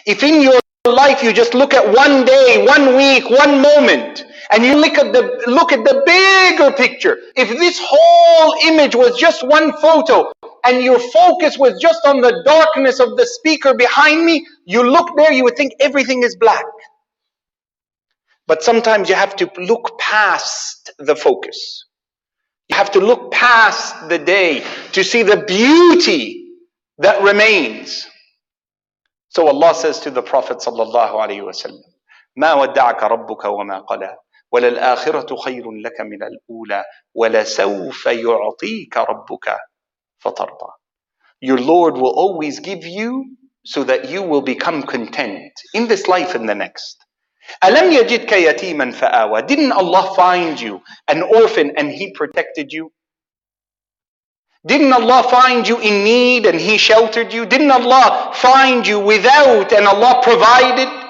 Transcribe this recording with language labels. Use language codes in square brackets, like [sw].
[en] If in your life you just look at one day, one week, one moment, and you look at the bigger picture, if this whole image was just one photo, and your focus was just on the darkness of the speaker behind me, you look there, you would think everything is black. But sometimes you have to look past the focus. You have to look past the day to see the beauty that remains. So Allah says to the Prophet sallallahu alaihi wasallam, [ar] ما ودعك ربك وما قلى وللآخرة خير لك من الأولى ولسوف يعطيك ربك فترضى. [en] Your Lord will always give you so that you will become content in this life and the next. [ar] أَلَمْ يَجِدْكَ يَتِيمًا فَآوَى. [en] Didn't Allah find you an orphan and He protected you? Didn't Allah find you in need and He sheltered you? Didn't Allah find you without and Allah provided?